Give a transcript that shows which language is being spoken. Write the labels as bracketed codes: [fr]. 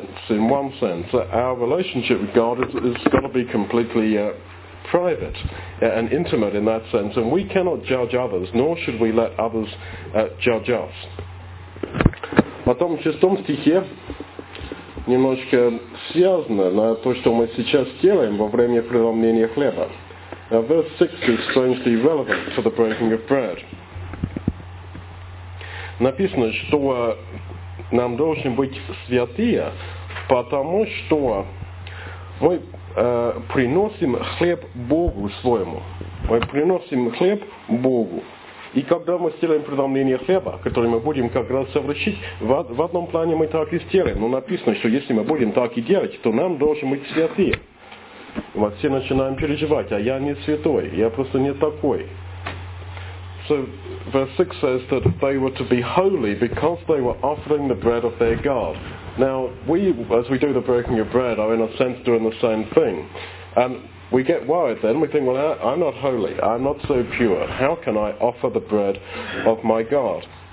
[en] In one sense, our relationship with God has got to be completely private and intimate in that sense. And we cannot judge others, nor should we let others judge us. [ru] Потом в шестом стихе немножко связано на то, что мы сейчас делаем во время преломления хлеба. [en] Now verse 6 is strangely relevant to the breaking of bread. [ru] Написано, что нам должны быть святые, потому что мы приносим хлеб Богу своему. Мы приносим хлеб Богу. И когда мы сделаем преломление хлеба, который мы будем как раз совращить, в одном плане мы так и сделаем. Но написано, что если мы будем так и делать, то нам должны быть святые. Вот все начинаем переживать, а я не святой, я просто не такой. [en] So verse 6 says that they were to be holy because they were offering the bread of their God. Now, we, as we do the breaking of bread, are in a sense doing the same thing. And we get worried then, we think, well, I'm not holy, I'm not so pure. How can I offer the bread of my God?